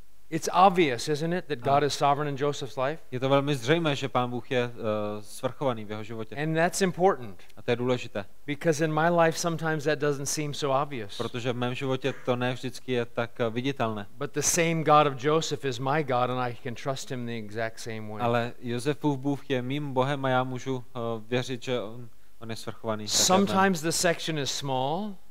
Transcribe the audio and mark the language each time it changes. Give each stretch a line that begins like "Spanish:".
English: It's obvious, isn't it, that God is sovereign in Joseph's life?
Czech: Je to velmi zřejmé, že Pán Bůh je svrchovaný v jeho životě.
English: And that's important.
Czech: A to je důležité.
English: Because in my life sometimes that doesn't seem so obvious.
Czech: Protože v mém životě to ne vždycky je tak viditelné.
English: But the same God of Joseph is my God and I can trust him the exact same way.
Czech: Ale Josefův Bůh je mým Bohem a já můžu věřit, že on je svrchovaný.
English: Sometimes the section is small.